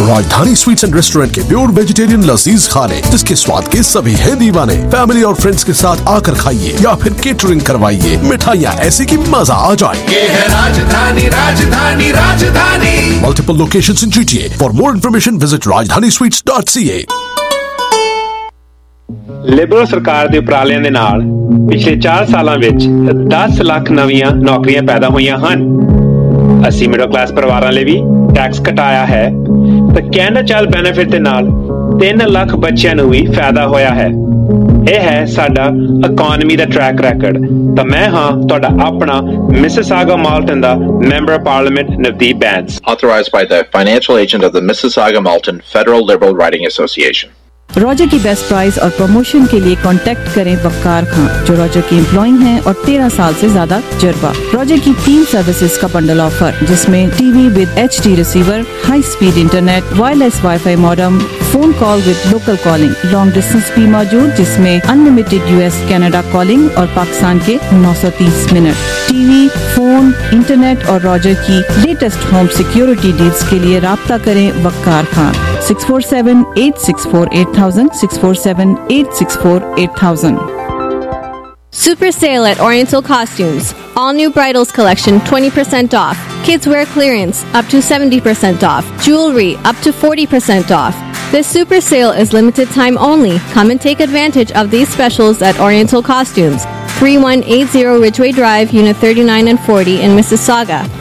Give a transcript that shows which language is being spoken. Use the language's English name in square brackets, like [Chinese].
[Urdu] Rajdhani sweets and restaurant کے pure vegetarian لذیذ کھانے, جس کے سواد کے سبھی ہیں دیوانے. فیملی اور فرینڈز کے ساتھ آ کر کھائیے یا پھر کیٹرنگ کروائیے, مٹھائیاں ایسی کی مزہ آ جائے. یہ ہے راجدھانی راجدھانی راجدھانی. [English] Multiple locations in GTA. For more information visit rajdhanisweets.ca. [Punjabi] Liberal سرکار دے اپرالیاں دے نال پچھلے 4 سالاں وچ 10 لاکھ نویاں نوکریاں پیدا ہوئیاں ہن. اسی مڈل کلاس پرواراں لئی وی ٹیکس کٹایا ہے, تے کینڈا چائلڈ بینیفٹ دے نال 3 لاکھ بچیاں نوں وی فائدہ ہویا ہے. اے ہے ساڈا اکانومی دا ٹریک ریکڈ. تے میں ہاں تہاڈا اپنا مسز آگا مالٹن دا member of parliament نوتی beans, [English] Authorized by the financial agent of the Mississauga Malton federal Liberal riding association. [Urdu] Roger کی بیسٹ پرائز اور پروموشن کے لیے کانٹیکٹ کریں وقار خان, جو روجر کی امپلائی ہیں اور 13 سال سے زیادہ تجربہ. روجر کی 3 سروسز کا بنڈل آفر, جس میں T V with each D receiver, high speed internet, wireless wi fi modem, phone call with local calling, long distance بھی موجود, جس میں unlimited U S Canada calling اور پاکستان کے 930 minute. T V, phone, internet اور Roger کی latest home security deals کے لیے رابطہ کریں وقار Khan 6478648000 6478648000. [English] Super sale at Oriental Costumes. All new bridals collection 20% off. Kids wear clearance up to 70% off. Jewelry up to 40% off. This super sale is limited time only. Come and take advantage of these specials at Oriental Costumes, 3180 Ridgeway Drive, Unit 39 and 40 in Mississauga.